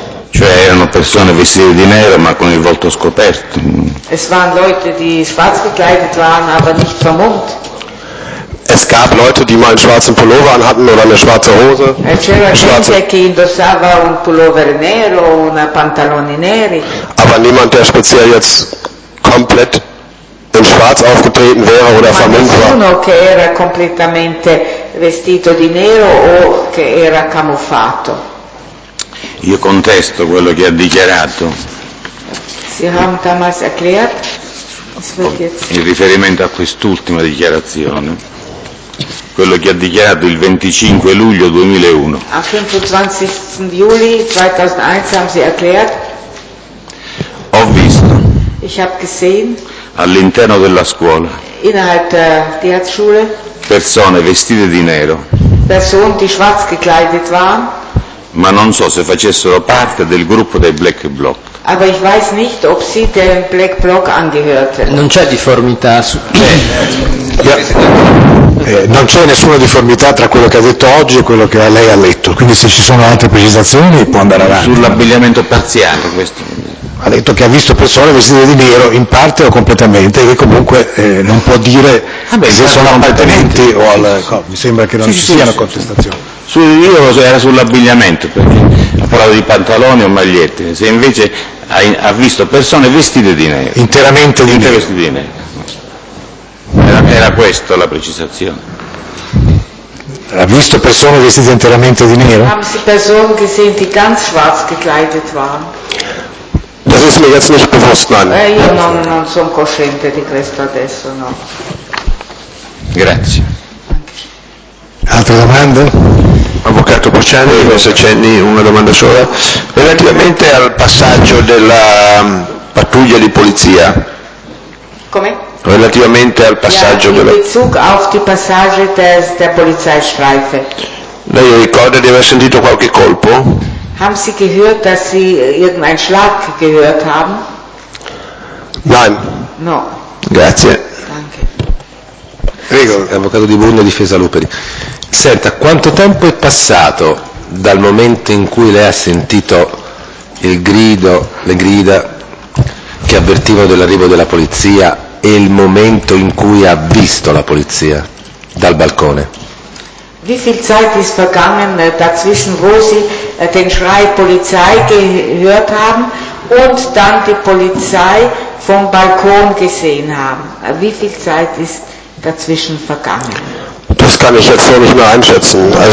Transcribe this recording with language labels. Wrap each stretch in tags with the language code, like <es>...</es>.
<it>Cioè erano persone vestite di nero ma con il volto scoperto.</it> <de>Es waren Leute, die schwarz gekleidet waren, aber nicht vermummt. Es gab Leute, die mal einen schwarzen Pullover anhatten oder eine schwarze Hose.</de> <it>C'era gente che indossava un pullover nero, una pantaloni neri.</it> <de>Aber niemand, der speziell jetzt komplett in Schwarz aufgetreten wäre oder vermummt war.</de> <it>Nessuno che era completamente vestito di nero o che era camuffato. Io contesto quello che ha dichiarato.</it> <de>Sie haben damals erklärt,</de> <it>in riferimento a quest'ultima dichiarazione, quello che ha dichiarato il 25 luglio 2001.</it> <de>Am 25. Juli 2001 haben Sie erklärt.</de> <it>Ho visto.</it> <de>Ich habe gesehen.</de> <it>All'interno della scuola.</it> <de>Innerhalb der Diaz-Schule.</de> <it>Persone vestite di nero.</it> <de>Personen, die schwarz gekleidet waren.</de> <it>Ma non so se facessero parte del gruppo dei Black Block.</it> <de>Aber ich weiß nicht, ob sie dem Black Block angehörte.</de> <it>Non c'è difformità. Non c'è nessuna difformità tra quello che ha detto oggi e quello che lei ha letto. Quindi se ci sono altre precisazioni può andare avanti. Sull'abbigliamento parziale, questo. Ha detto che ha visto persone vestite di nero in parte o completamente, che comunque non può dire se sono appartenenti o al. Mi sembra che non ci siano contestazioni. Io era sull'abbigliamento, perché ha parlato di pantaloni o magliette, se invece ha visto persone vestite di nero. Interamente di nero. Vestite di nero. Era questa la precisazione. Ha visto persone vestite interamente di nero?</it> <de>Haben Sie Personen gesehen, die ganz schwarz gekleidet waren? Das ist mir jetzt nicht bewusst, nein.</de> <it>Io non sono cosciente di questo adesso, no. Grazie. Altre domande? Avvocato Pociani, se c'è una domanda sola. Relativamente al passaggio della pattuglia di polizia. Come? Relativamente al passaggio della...</it> <de>In Bezug auf die Passage der Polizeistreife.</de> <it>Lei ricorda di aver sentito qualche colpo?</it> <de>Haben Sie gehört, dass Sie irgendeinen Schlag gehört haben? Nein.</de> <it>No. Grazie.</it> <de>Danke.</de> <it>Prego. Avvocato Di Bruno, difesa Luperi. Senta, quanto tempo è passato dal momento in cui lei ha sentito il grido, le grida che avvertivano dell'arrivo della polizia e il momento in cui ha visto la polizia dal balcone?</it> <de>Wie viel Zeit ist vergangen dazwischen, wo Sie den Schrei Polizei gehört haben und dann die Polizei vom Balkon gesehen haben? Wie viel Zeit ist dazwischen vergangen? Das kann ich jetzt noch nicht mehr einschätzen.</de>